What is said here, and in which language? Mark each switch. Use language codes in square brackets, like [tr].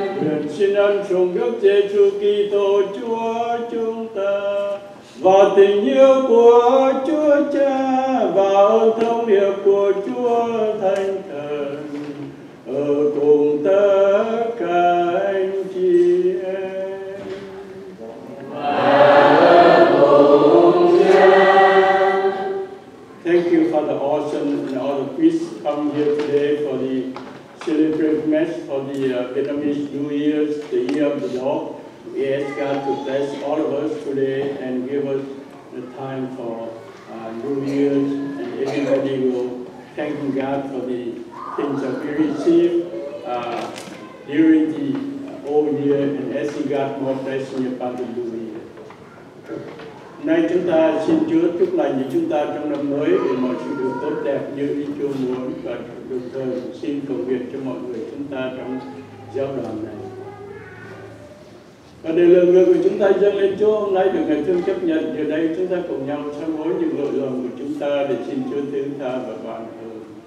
[vi] Nguyện xin ân sủng Đức Giêsu Kitô Chúa chúng ta và tình yêu của Chúa Cha và ơn thông điệp của Chúa Thánh Thần ở cùng tất cả anh chị em. [en] Thank you, Father Orson, and all the priests come here today for the celebrate Mass for the Vietnamese New Year, the Year of the Dog. We ask God to bless all of us today and give us the time for New Year, and everybody will thank God for the things that we receive during the old year, and asking God more blessing upon the New Year. [vi] Hôm nay chúng ta xin Chúa chúc lành cho chúng ta trong năm mới để mọi sự được tốt đẹp như ý Chúa muốn, và đồng thời xin cầu nguyện cho mọi người chúng ta trong giai đoạn này. Và để lời nguyện của chúng ta dâng lên Chúa hôm nay được Ngài thương chấp nhận, giờ đây chúng ta cùng nhau sám hối những lỗi lầm của chúng ta để xin Chúa thương tha và ban ơn.